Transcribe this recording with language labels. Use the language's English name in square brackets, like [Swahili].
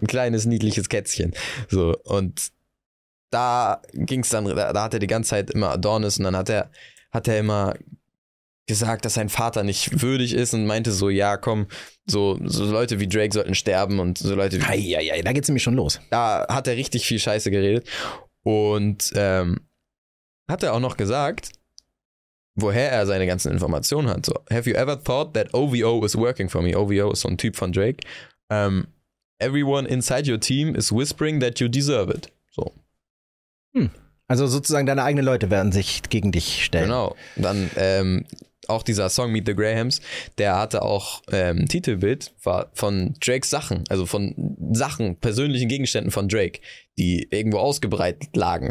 [German] Ein kleines, niedliches Kätzchen, so, und da ging's dann, da hat er die ganze Zeit immer Adonis und dann hat er immer gesagt, dass sein Vater nicht würdig ist und meinte so, ja, komm, so Leute wie Drake sollten sterben und so Leute wie... Eieiei, da geht's nämlich schon los. Da hat er richtig viel Scheiße geredet und hat er auch noch gesagt, woher er seine ganzen Informationen hat. [English] So, have you ever thought that OVO is working for me? [German] OVO ist so ein Typ von Drake. [English] Everyone inside your team is whispering that you deserve it. So. [German] Also sozusagen deine eigenen Leute werden sich gegen dich stellen. Genau. Dann auch dieser Song Meet the Grahams, der hatte auch Titelbild war von Drakes Sachen, also von Sachen, persönlichen Gegenständen von Drake, die irgendwo ausgebreitet lagen.